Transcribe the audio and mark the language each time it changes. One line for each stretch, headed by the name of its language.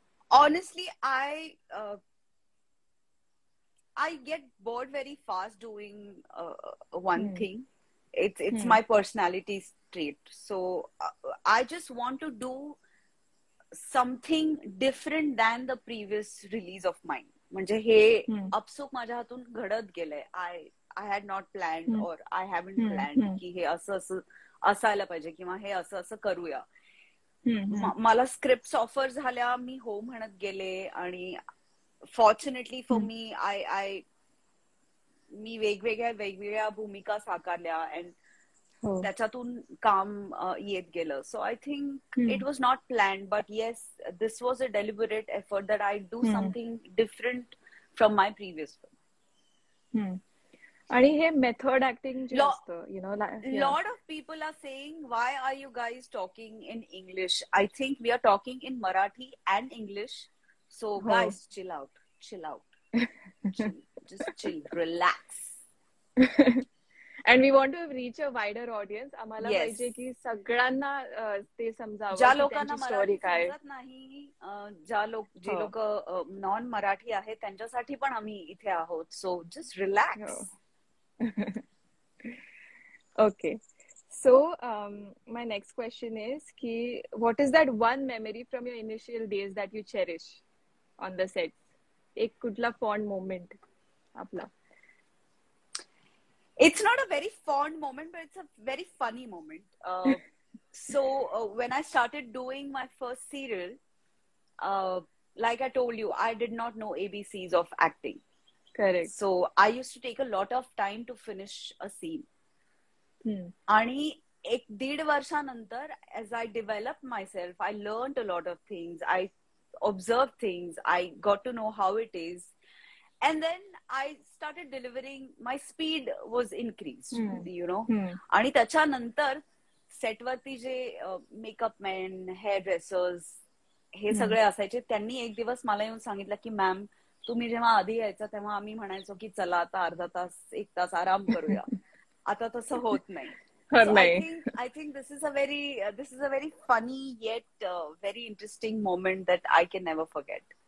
English: Honestly, I get bored very fast doing one thing. It's my personality trait. So I just want to do something different than the previous release of mine.
Marathi: म्हणजे हे अपसुक माझ्या हातून घडत गेलंय.
English: I had not planned or I haven't planned
Marathi: की हे असं असं असायला पाहिजे किंवा हे असं असं करूया. मला स्क्रिप्ट ऑफर झाल्या, मी हो म्हणत गेले आणि
English: fortunately for me
Marathi: आय मी वेगवेगळ्या भूमिका साकारल्या अँड त्याच्यातून काम येत गेलं.
English: So I think it was not planned but yes this was a deliberate effort that I do something different from my previous.
Marathi: आणि हे मेथड ऍक्टिंग जे असतं,
English: You know, lot of people are saying why are you guys talking in English. I think we are talking in Marathi and English. So guys chill out, chill out, just chill, relax. And we want to reach a wider audience.
Marathi: आम्हाला पाहिजे की सगळ्यांना ते समजावं, ज्या लोकांना story काय नाही, ज्या लोक जे लोक नॉन मराठी आहेत त्यांच्यासाठी पण आम्ही इथे आहोत.
English: So just relax. Okay, so my next question is की what is that one memory from your initial days that you cherish on the set.
Marathi: एक कुठला
English: fond moment
Marathi: आपला?
English: It's not a very fond moment but it's a very funny moment. So when I started doing my first serial, like I told you, I did not know ABCs of acting. Correct. So I used to take a lot of time to finish a scene.
Marathi: Ani ek did varsha nantar,
English: as I developed myself, I learned a lot of things, I observed things, I got to know how it is, and then I started delivering, my speed was increased. You know,
Marathi: ani tacha nantar set varti je makeup men, hairdressers he sagle asayche, tyanni ek divas mala yeun sangitla ki ma'am तुम्ही जेव्हा आधी यायचा तेव्हा आम्ही म्हणायचो की चला आता अर्धा तास एक तास आराम करूया. आता तसं होत नाही.
English: I think this is a very funny yet very interesting moment that I can never forget.